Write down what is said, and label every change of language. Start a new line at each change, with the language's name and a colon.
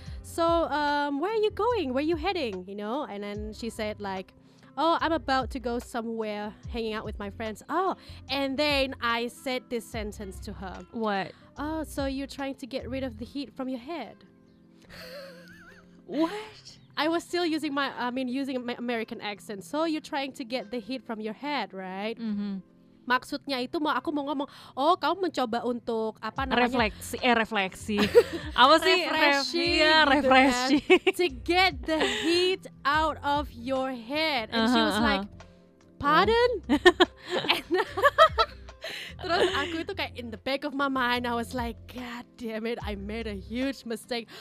English: So where are you going, where are you heading, you know? And then she said like, oh, I'm about to go somewhere hanging out with my friends. Oh, and then I said this sentence to her. What? Oh, so you're trying to get rid of the heat from your head. What? I was still using my, I mean, using my American accent. So you're trying to get the heat from your head, right?
Indonesian: Maksudnya itu mau aku mau ngomong, oh kamu mencoba untuk apa namanya, refleksi apa sih,
English: refreshing to get the heat out of your head. And she was like, pardon?
Indonesian: Terus aku itu kayak
English: in the back of my mind I was like, god damn it, I made a huge mistake.